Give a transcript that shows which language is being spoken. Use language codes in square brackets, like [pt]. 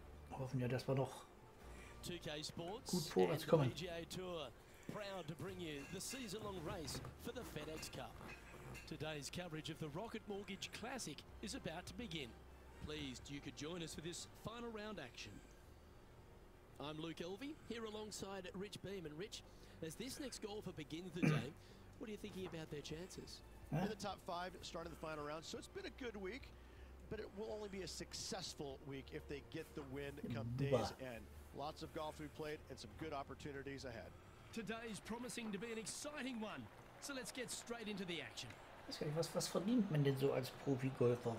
[de] Hoffen wir, dass wir noch gut vorwärts kommen. [en] Proud to bring you the season-long race for the FedEx Cup. Today's coverage of the Rocket Mortgage Classic is about to begin. Pleased you could join us for this final round action. I'm Luke Elvey, here alongside Rich Beam. And Rich, as this next golfer begins the day, what are you thinking about their chances? Huh? In the top five, starting the final round, so it's been a good week, but it will only be a successful week if they get the win come day's end. Lots of golf we've played and some good opportunities ahead. Today's promising to be an exciting one, so let's get straight into the action. [de] Was verdient man denn so als Profi-Golfer?